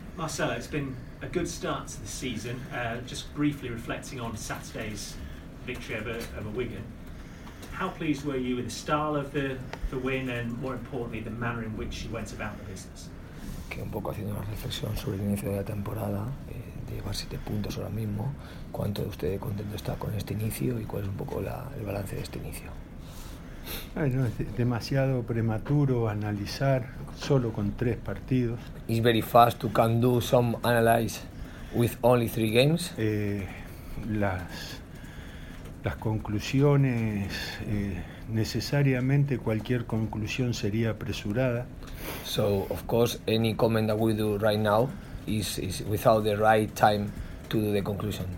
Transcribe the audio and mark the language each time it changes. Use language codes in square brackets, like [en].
[en] Marcelo, it's been a good start to the season. Just briefly reflecting on Saturday's victory over Wigan, how pleased were you with the style of the win and, more importantly, the manner in which you went about the business? [es] Un poco haciendo una reflexión sobre el inicio de la temporada, de llevar 7 puntos ahora mismo, ¿cuánto de usted contento está con este inicio y cuál es un poco el balance de este inicio? No, es demasiado prematuro analizar solo con 3 partidos. [en] It's very fast to can do some analyze with only 3 games. [es] Las conclusiones, necesariamente cualquier conclusión sería apresurada. [en] So of course any comment that we do right now is without the right time to do the conclusion.